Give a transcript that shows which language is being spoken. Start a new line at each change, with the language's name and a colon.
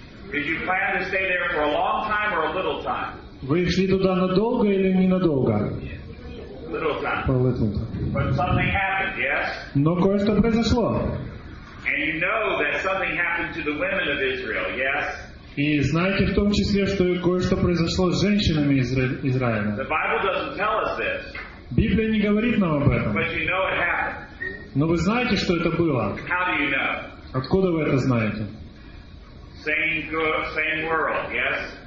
English: Did you plan to stay there for a long time or a little time?
Russian: Вы шли туда надолго или ненадолго?
English: Little time. But something happened, yes?
Russian: Но кое-что произошло.
English: And you know that something happened to the women of Israel, yes?
Russian: И знаете в том числе, что кое-что произошло с женщинами Израиля.
English: The Bible doesn't tell us this.
Russian: Библия не говорит нам об этом.
English: But you know it happened.
Russian: Но вы знаете, что это было?
English: How do you know?
Russian: Откуда вы это знаете?
English: Same world, yes?